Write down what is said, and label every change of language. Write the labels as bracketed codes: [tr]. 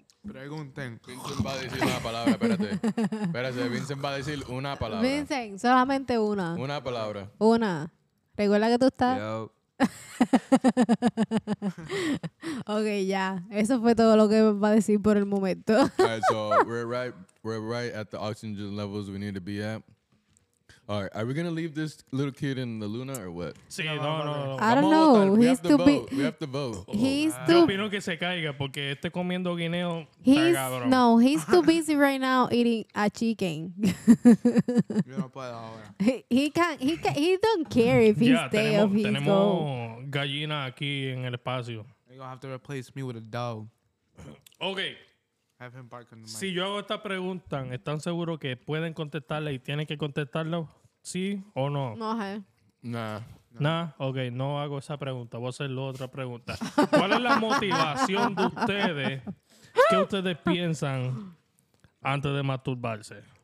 [es] Pregunten. Vincent va a decir una palabra, espérate. Vincent va a decir una palabra. Vincent, solamente una. Una palabra. Una. Recuerda que tú estás. Yo. Ok, ya. Eso fue todo lo que va a decir por el momento. [en] All right, so we're right at the oxygen levels we need to be at. All right, are we going to leave this little kid in the luna or what? [es] Sí, no. [en] I don't know. He's stupid. We have to vote. He's too. [es] Yo opino que se caiga porque este comiendo guineo está cabrón. [en] No, he's too busy right now eating a chicken. [es] Yo no puedo ahora. [en] He don't care if he stay or he go. [es] Tenemos gallina aquí en el espacio. [en] You're going to have to replace me with a dog. Okay. Have him bark on the mic. [es] Si yo hago esta pregunta, ¿están seguros que pueden contestarle y tienen que contestarlo? ¿Sí o no? No, hey. Nah. Ok, no hago esa pregunta. Voy a hacer otra pregunta. ¿Cuál es la motivación de ustedes? ¿Qué ustedes piensan antes de masturbarse?